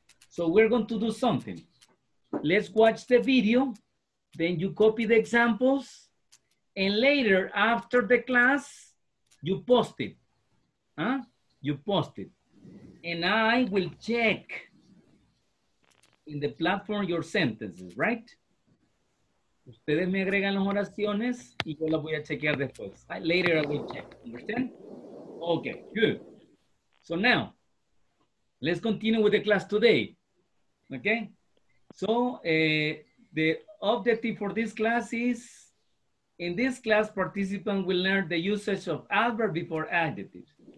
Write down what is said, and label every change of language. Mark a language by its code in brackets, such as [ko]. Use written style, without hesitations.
[en] So we're going to do something. Let's watch the video, then you copy the examples, and later after the class, you post it, huh? You post it. And I will check in the platform your sentences, right? [es] Ustedes me agregan las oraciones y yo las voy a chequear después. [en] Later I will check, understand? Okay, good. So now, let's continue with the class today, okay? So the objective for this class is, in this class, participants will learn the usage of adverb before adjectives.